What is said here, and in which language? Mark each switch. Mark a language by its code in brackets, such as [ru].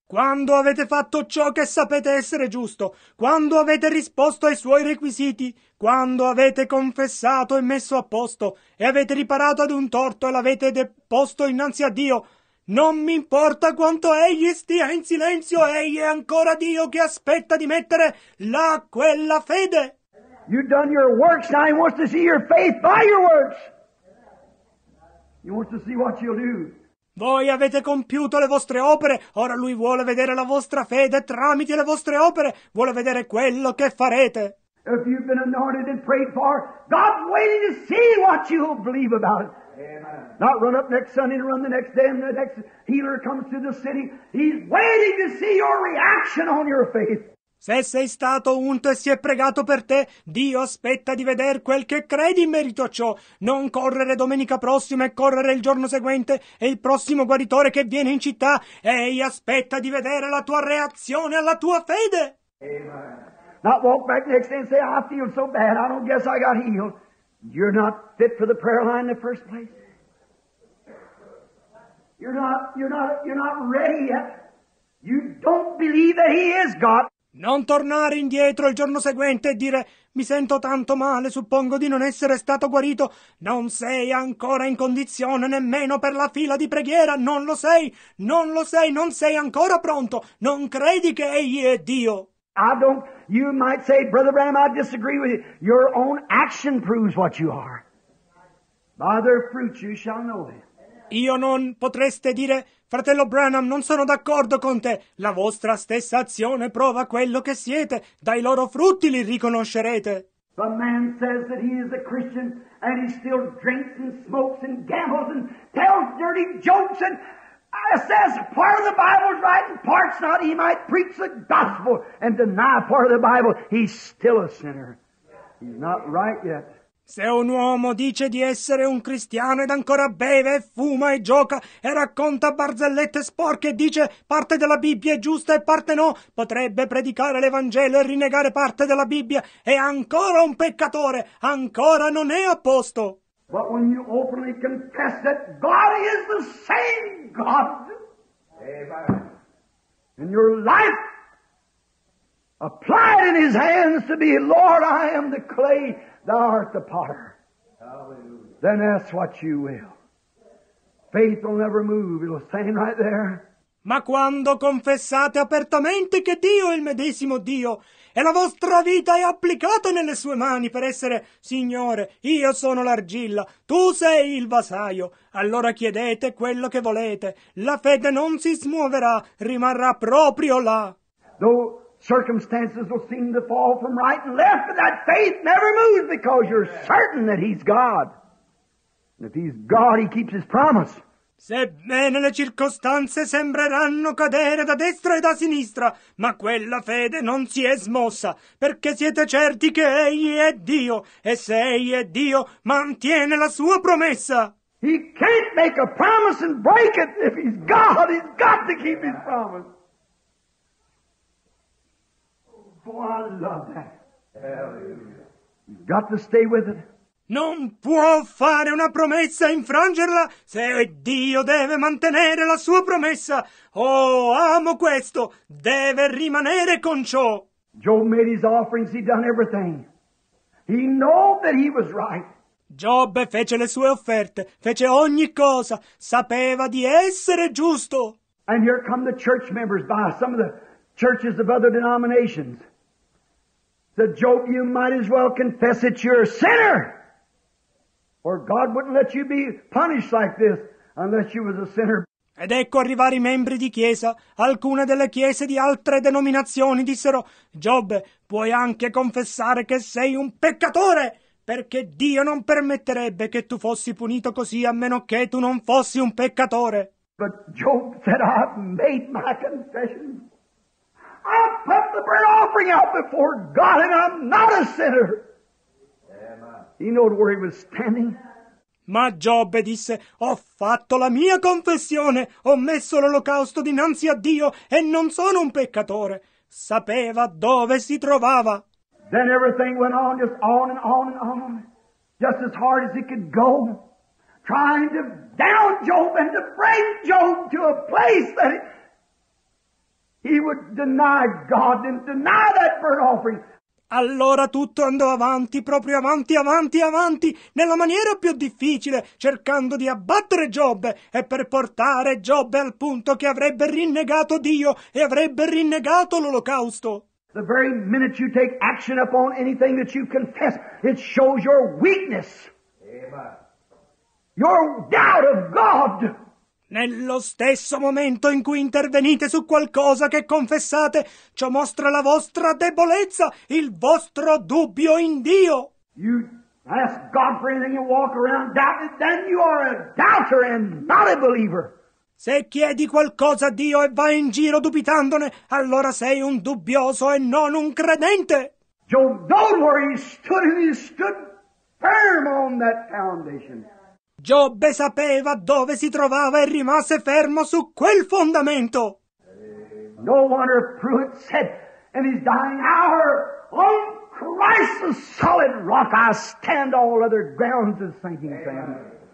[it] Quando avete fatto ciò che sapete essere giusto, quando avete risposto ai suoi requisiti, quando avete confessato e messo a posto e avete riparato ad un torto e l'avete deposto innanzi a Dio, non mi importa quanto egli stia in silenzio, egli è ancora Dio che aspetta di mettere là quella fede. [en] You've done your works, now he wants to see your faith by your works. He wants to see what you'll do. [it] Voi avete compiuto le vostre opere, ora lui vuole vedere la vostra fede tramite le vostre opere, vuole vedere quello che farete. [en] If you've been anointed and prayed for, God's waiting to see what you'll believe about it. Amen. Not run up next Sunday and run the next day and the next healer comes to the city. He's waiting to see your reaction on your faith. [it] Se sei stato unto e si è pregato per te, Dio aspetta di vedere quel che credi in merito a ciò. Non correre domenica prossima e correre il giorno seguente e il prossimo guaritore che viene in città. Egli aspetta di vedere la tua reazione alla tua fede. Amen. [en] Not walk back next day and say, I feel so bad, I don't guess I got healed. You're not fit for the prayer line in the first place. You're not ready yet. You don't believe that he is God. [it] Non tornare indietro il giorno seguente e dire mi sento tanto male, suppongo di non essere stato guarito. Non sei ancora in condizione nemmeno per la fila di preghiera. Non lo sei, non lo sei, non sei ancora pronto. Non credi che egli è Dio. [en] You might say, Brother Branham, I disagree with you. Your own action proves what you are. By their fruits you shall know it. [it] Io non potreste dire, fratello Branham, non sono d'accordo con te. La vostra stessa azione prova quello che siete. Dai loro frutti li riconoscerete. [en] The man says that he is a Christian and he still drinks and smokes and gambles and tells dirty jokes and says part of the Bible is right and part's not. He might preach the gospel and deny part of the Bible. He's still a sinner. He's not right yet. [it] Se un uomo dice di essere un cristiano ed ancora beve, fuma e gioca e racconta barzellette sporche e dice parte della Bibbia è giusta e parte no, potrebbe predicare l'Evangelo e rinnegare parte della Bibbia, è ancora un peccatore, ancora non è a posto. [en] But when you openly confess that God is the same God, amen. and your life. Apply it in his hands to be, Lord, I am the clay, thou art the potter. Hallelujah. Then ask what you will. Faith will never move, it'll stand right there. [it] Ma quando confessate apertamente che Dio è il medesimo Dio e la vostra vita è applicata nelle sue mani per essere Signore, io sono l'argilla, tu sei il vasaio, allora chiedete quello che volete, la fede non si smuoverà, rimarrà proprio là. [en] Though circumstances will seem to fall from right and left, but that faith never moves because you're certain that he's God. And if he's God, he keeps his promise. [it] Sebbene le circostanze sembreranno cadere da destra e da sinistra, ma quella fede non si è smossa, perché siete certi che Egli è Dio, e se Egli è Dio, mantiene la sua promessa. [en] He can't make a promise and break it. If he's God, he's got to keep his promise. Oh, I love that. Hallelujah. He's got to stay with it. [it] Non può fare una promessa e infrangerla se Dio deve mantenere la sua promessa. Oh, amo questo. Deve rimanere con ciò. [en] Job made his offerings. He done everything. He knew that he was right. [it] Giobbe fece le sue offerte. Fece ogni cosa. Sapeva di essere giusto. [en] And here come the church members by some of the churches of other denominations. Said, Job, you might as well confess that you're a sinner. Or God wouldn't let you be punished like this unless you was a sinner. [it] Ed ecco arrivare i membri di chiesa. Alcune delle chiese di altre denominazioni dissero, Giobbe, puoi anche confessare che sei un peccatore, perché Dio non permetterebbe che tu fossi punito così a meno che tu non fossi un peccatore. [en] But Job said, I've made my confession. I put the burnt offering out before God and I'm not a sinner. He knew where he was standing. [it] Ma Giobbe disse, ho fatto la mia confessione, ho messo l'olocausto dinanzi a Dio e non sono un peccatore. Sapeva dove si trovava. [en] Then everything went on, just on and on and on, just as hard as it could go, trying to down Job and to bring Job to a place that he would deny God and deny that burnt offering. [it] Allora tutto andò avanti, proprio avanti, avanti, avanti, nella maniera più difficile, cercando di abbattere Giobbe e per portare Giobbe al punto che avrebbe rinnegato Dio e avrebbe rinnegato l'olocausto. [en] The very minute you take action upon anything that you confess, it shows your weakness. Amen. Your doubt of God. [it] Nello stesso momento in cui intervenite su qualcosa che confessate, ciò mostra la vostra debolezza, il vostro dubbio in Dio. [en] You ask God for anything and walk around doubting, then you are a doubter and not a believer. [it] Se chiedi qualcosa a Dio e vai in giro dubitandone, allora sei un dubbioso e non un credente. [en] Job knew where he stood firm on that foundation. [it] Giobbe sapeva dove si trovava e rimase fermo su quel fondamento. [en] No wonder Pruitt said in his dying hour, on Christ's solid rock I stand, all other grounds is sinking sand.